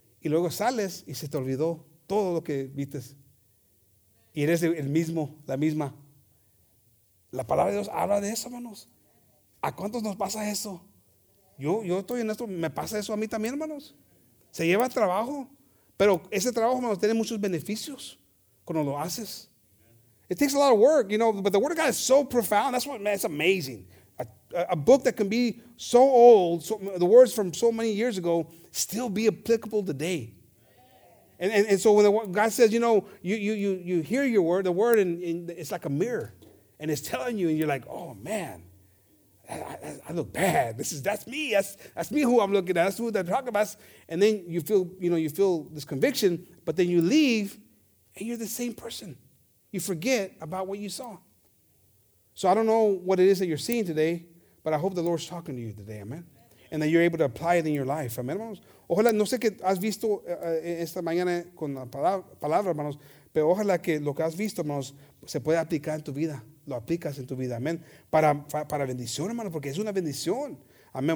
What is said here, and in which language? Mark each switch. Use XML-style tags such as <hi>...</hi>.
<es>Y luego sales y se te olvidó todo lo que viste. Y eres el mismo, la misma. La palabra de Dios habla de eso, hermanos. ¿A cuántos nos pasa eso? Yo estoy en esto, me pasa eso a mí también, hermanos. Se lleva trabajo. Pero ese trabajo, hermanos, tiene muchos beneficios cuando lo haces.</es> <en>It takes a lot of work, you know, but the word of God is so profound. That's amazing. A book that can be so old, the words from so many years ago, still be applicable today. And so when God says, you know, you hear your word, the word, and it's like a mirror, and it's telling you, and you're like, oh man, I look bad. That's me. That's me who I'm looking at. That's who they're talking about. And then you feel, you know, you feel this conviction, but then you leave, and you're the same person. You forget about what you saw. So I don't know what it is that you're seeing today, but I hope the Lord's talking to you today, amen? And that you're able to apply it in your life, amen, hermanos?</en> <es>Ojalá, no sé qué has visto esta mañana con la palabra, hermanos, pero ojalá que lo que has visto, hermanos, se pueda aplicar en tu vida, lo aplicas en tu vida, amen? Para bendición, hermanos, porque es una bendición, amen?</es>